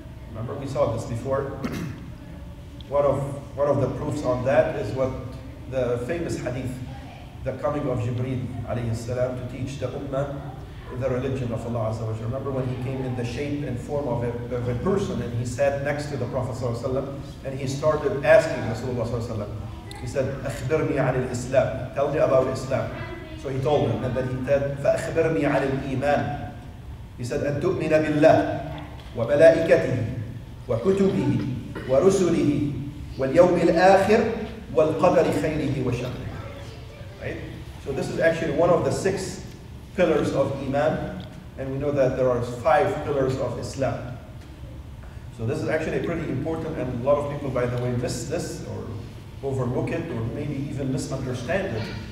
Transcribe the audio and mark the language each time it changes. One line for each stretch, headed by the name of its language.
English: Remember, we saw this before. One of the proofs on that is what the famous hadith, the coming of Jibreel alayhi salam to teach the Ummah the religion of Allah Azza wa Jalla. Remember when he came in the shape and form of a person and he sat next to the Prophet Sallallahu Alaihi Wasallam and he started asking Rasulullah Sallallahu Alaihi Wasallam. He said,
Arabic: أخبرني عن الإسلام.
English: Tell me about Islam. So he told him, and then he said,
Arabic: فأخبرني عن الإيمان.
English: He said,
Arabic: أن تؤمن بالله وملائكته وكتبه ورسله واليوم الآخر والقدر خيره وشره.
English: Right? So this is actually one of the six pillars of Iman, and we know that there are five pillars of Islam. So this is actually pretty important, and a lot of people, by the way, miss this or overlook it or maybe even misunderstand it.